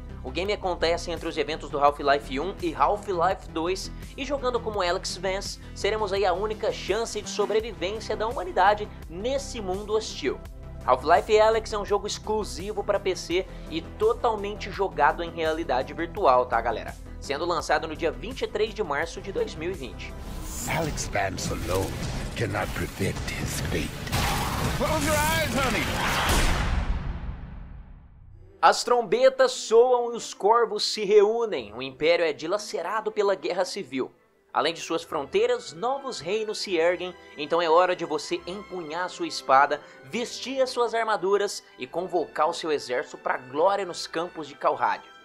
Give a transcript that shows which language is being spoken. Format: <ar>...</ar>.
<pt>O game acontece entre os eventos do Half-Life 1 e Half-Life 2, e jogando como Alyx Vance, seremos aí a única chance de sobrevivência da humanidade nesse mundo hostil. Half-Life Alyx é um jogo exclusivo para PC e totalmente jogado em realidade virtual, tá galera? Sendo lançado no dia 23 de março de 2020.</pt> <en>Alyx Vance alone cannot prevent his fate. Close your eyes, honey.</en> <pt>As trombetas soam e os corvos se reúnem. O Império é dilacerado pela Guerra Civil. Além de suas fronteiras, novos reinos se erguem. Então é hora de você empunhar sua espada, vestir as suas armaduras e convocar o seu exército para a glória nos campos de Calrádio.</pt>